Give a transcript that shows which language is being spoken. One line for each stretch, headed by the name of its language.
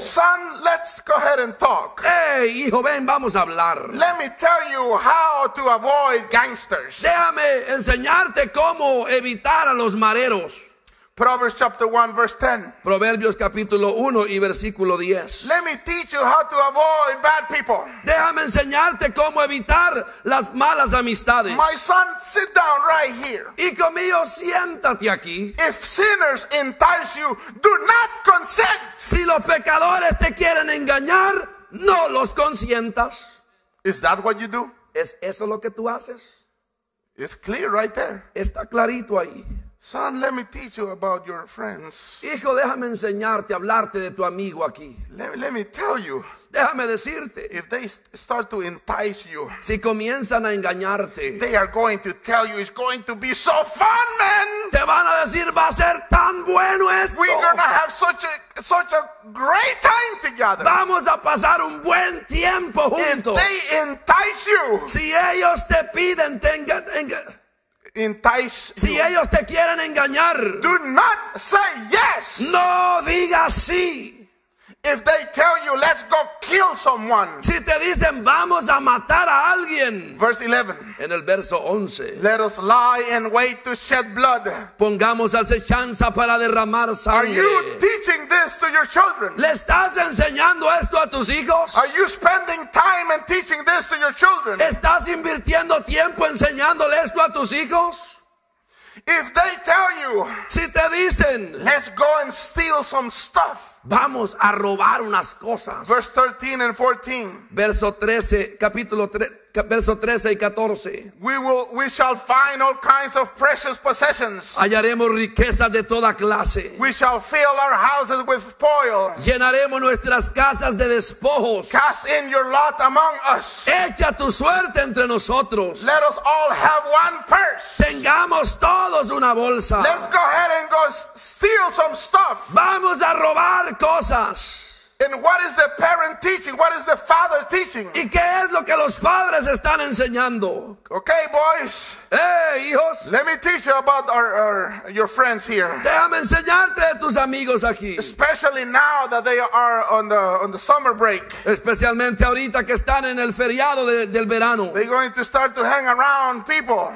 English: Son, let's go ahead and talk.
Spanish: Hey, hijo, ven, vamos a hablar.
English: Let me tell you how to avoid gangsters.
Spanish: Déjame enseñarte cómo evitar a los mareros.
English: Proverbs chapter 1 verse 10.
Spanish: Proverbios capítulo 1 y versículo 10.
English: Let me teach you how to avoid bad people.
Spanish: Déjame enseñarte cómo evitar las malas amistades.
English: My son, sit down right here.
Spanish: Hijo mío, siéntate aquí.
English: If sinners entice you, do not consent.
Spanish: Si los pecadores te quieren engañar, no los consientas.
English: Is that what you do?
Spanish: ¿Es eso lo que tú haces?
English: It's clear right there.
Spanish: Está clarito ahí.
English: Son, let me teach you about your friends.
Spanish: Hijo, déjame enseñarte, hablarte de tu amigo aquí.
English: Let me tell you.
Spanish: Déjame decirte.
English: If they start to entice you.
Spanish: Si comienzan a engañarte.
English: They are going to tell you it's going to be so fun, man.
Spanish: Te van a decir, va a ser tan bueno esto.
English: We're going to have such a great time together.
Spanish: Vamos a pasar un buen tiempo juntos.
English: If they entice you.
Spanish: Si ellos te piden, tengan.
English: Entice you.
Spanish: Si ellos te quieren engañar,
English: do not say yes.
Spanish: No digas sí.
English: If they tell you, let's go kill someone.
Spanish: Si te dicen, vamos a matar a alguien.
English: Verse 11.
Spanish: En el verso 11.
English: Let us lie and wait to shed blood.
Spanish: Pongamos acechanza para derramar sangre.
English: Are you teaching this to your children?
Spanish: ¿Le estás enseñando esto a tus hijos?
English: Are you spending time and teaching this to your children?
Spanish: ¿Estás invirtiendo tiempo enseñándole esto a tus hijos?
English: If they tell you,
Spanish: si te dicen,
English: let's go and steal some stuff.
Spanish: Vamos a robar unas cosas.
English: Verse 13 and 14.
Spanish: Verso 13, capítulo 3, verso 13 y 14.
English: We shall find all kinds of precious possessions.
Spanish: Hallaremos riquezas de toda clase.
English: We shall fill our houses with spoil.
Spanish: Llenaremos nuestras casas de despojos.
English: Cast in your lot among us.
Spanish: Echa tu suerte entre nosotros.
English: Let us all have one purse.
Spanish: Tengamos todos una bolsa.
English: Let's go ahead and go steal some stuff.
Spanish: Vamos a robar cosas.
English: And what is the parent teaching? What is the father teaching?
Spanish: ¿Y qué es lo que los padres están enseñando?
English: Okay, boys.
Spanish: Hey, hijos.
English: Let me teach you about your friends here.
Spanish: Déjame enseñarte de tus amigos aquí.
English: Especially now that they are on the summer break.
Spanish: Especialmente ahorita que están en el feriado del verano.
English: They're going to start to hang around people.